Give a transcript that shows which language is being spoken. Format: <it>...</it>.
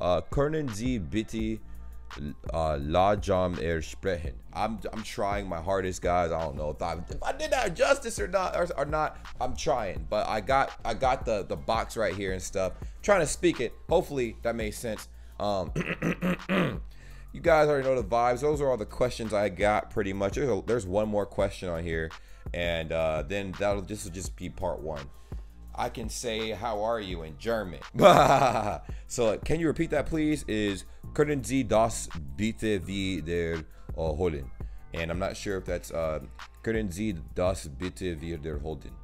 <de>Können Sie bitte langsamer sprechen?</de> <en>I'm trying my hardest, guys. I don't know if I did that justice or not. I'm trying, but I got the box right here and stuff. I'm trying to speak it. Hopefully that made sense. You guys already know the vibes. Those are all the questions I got, pretty much. There's one more question on here, and then this will just be part one. I can say how are you in German. So can you repeat that, please?</en> <de>Können Sie das bitte wieder holen?</de> <en>And I'm not sure if that's</en> <de>können Sie das bitte wiederholen?</de>